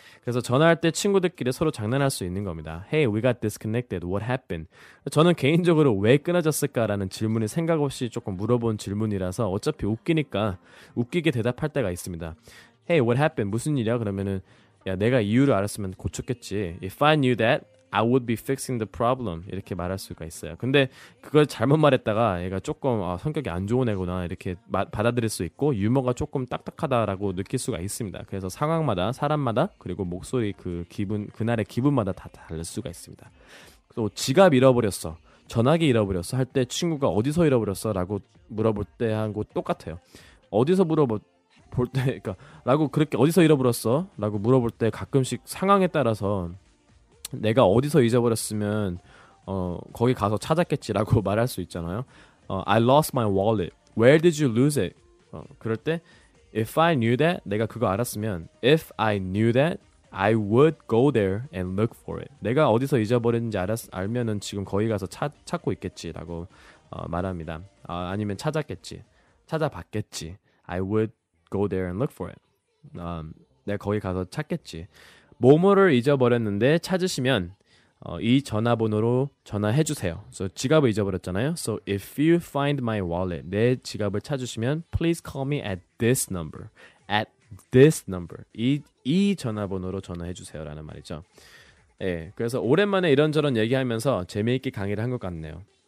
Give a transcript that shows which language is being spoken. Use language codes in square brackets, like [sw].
[ko] 그래서 전화할 때 친구들끼리 서로 장난할 수 있는 겁니다. [en] Hey, we got disconnected. What happened? [ko] 저는 개인적으로 왜 끊어졌을까라는 질문을 생각 없이 조금 물어본 질문이라서 어차피 웃기니까 웃기게 대답할 때가 있습니다. [en] Hey, what happened? [ko] 무슨 일이야? 그러면은 야, 내가 이유를 알았으면 고쳤겠지. [en] If I knew that, I would be fixing the problem. [ko] 이렇게 말할 수가 있어요. 근데 그걸 잘못 말했다가 얘가 조금 성격이 안 좋은 애구나 이렇게 받아들일 수 있고 유머가 조금 딱딱하다라고 느낄 수가 있습니다. 그래서 상황마다, 사람마다, 그리고 목소리 그 기분, 그날의 기분마다 다 다를 수가 있습니다. 또 지갑 잃어버렸어. 전화기 잃어버렸어. 할 때 친구가 어디서 잃어버렸어? 라고 물어볼 때 한 거 똑같아요. 어디서 볼 때, 그러니까 라고 그렇게 어디서 잃어버렸어? 라고 물어볼 때 가끔씩 상황에 따라서 내가 어디서 잊어버렸으면 거기 가서 찾았겠지라고 말할 수 있잖아요. [en] I lost my wallet. Where did you lose it? [ko] 그럴 때 [en] If I knew that, [ko] 내가 그거 알았으면 [en] If I knew that, I would go there and look for it. [ko] 내가 어디서 잊어버렸는지 알면은 지금 거기 가서 찾고 있겠지라고 말합니다. 아니면 찾았겠지. 찾아봤겠지. [en] I would go there and look for it. [ko] 내가 거기 가서 찾겠지. 뭐뭐를 잊어버렸는데 찾으시면 이 전화번호로 전화해주세요. So, 지갑을 잊어버렸잖아요. [en] So, if you find my wallet, [ko] 내 지갑을 찾으시면 [en] please call me at this number. At this number. [ko] 이 전화번호로 전화해주세요. 라는 말이죠. 예, 그래서 오랜만에 이런저런 얘기하면서 재미있게 강의를 한 것 같네요.